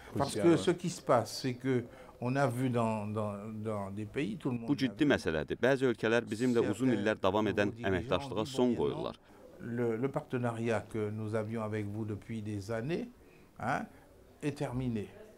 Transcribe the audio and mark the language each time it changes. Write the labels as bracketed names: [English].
[French] Parce que ce qui se passe, c'est que on a vu dans des pays, tout le monde. [Azerbaijani] Bu ciddi məsələdir. Bəzi ölkələr bizimle uzun illər davam edən əməkdaşlığa son qoyurlar. [French] Le partenariat que nous avions avec vous depuis des années, est terminé.